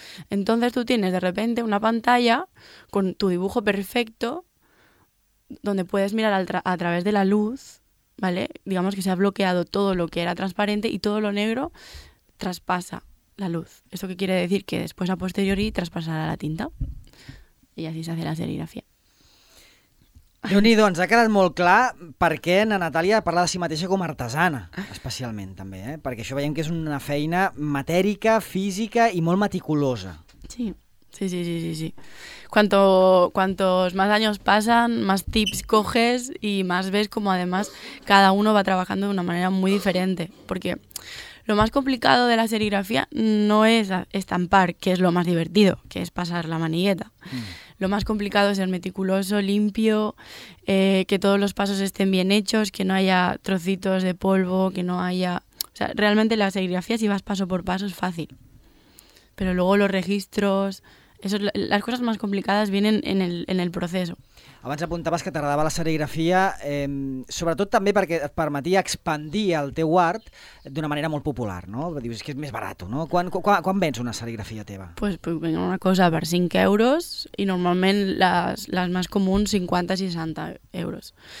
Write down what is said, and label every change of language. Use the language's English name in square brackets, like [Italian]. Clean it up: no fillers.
[Spanish] Entonces, tú tienes de repente una pantalla con tu dibujo perfecto donde puedes mirar a través de la luz, ¿vale? Digamos que se ha bloqueado todo lo que era transparente y todo lo negro traspasa la luz. ¿Esto qué quiere decir? Que después, a posteriori, traspasará la tinta y así se hace la serigrafía. [Catalan] Déu-n'hi-do, ens ha quedat molt clar per què na Natàlia parla de si mateixa com a artesana, especialment també, eh? Perquè això veiem que és una feina matèrica, física i molt meticulosa. [Spanish] Sí, sí, sí, sí, sí. Cuantos más años pasan, más tips coges y más ves como además cada uno va trabajando de una manera muy diferente, porque lo más complicado de la serigrafía no es estampar, que es lo más divertido, que es pasar la manilleta. lo más complicado es ser meticuloso, limpio, que todos los pasos estén bien hechos, que no haya trocitos de polvo, que no haya... O sea, realmente la serigrafía, si vas paso por paso, es fácil. Pero luego los registros... Eso, las cosas más complicadas vienen en el proceso. [Catalan] Abans apuntaves que t'agradava la serigrafia, sobretot també perquè et permetia expandir el teu art d'una manera molt popular, no? Dius, és que és més barat, no? Quan vens una serigrafia teva? Pues, pues una cosa per 5 euros i normalment les més comuns 50-60 euros.